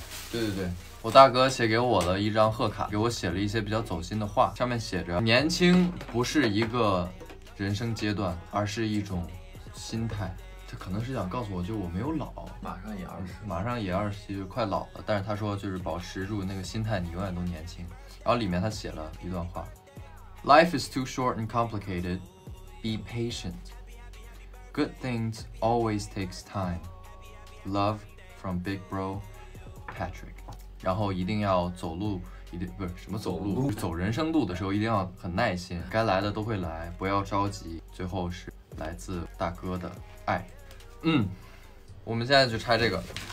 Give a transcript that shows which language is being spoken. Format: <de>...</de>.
<zh>对，我大哥写给我的一张贺卡，给我写了一些比较走心的话，上面写着年轻不是一个人生阶段，而是一种心态。他可能是想告诉我，就我没有老，马上也二十，就快老了，但是他说就是保持住那个心态，你永远都年轻。然后里面他写了一段话，</zh> <en>Life is too short and complicated. Be patient. Good things always takes time. Love from Big Bro.</en> <zh>Patrick， 然后一定要走路，一定不是什么走路，走人生路的时候一定要很耐心，该来的都会来，不要着急。最后是来自大哥的爱，我们现在就拆这个。</zh>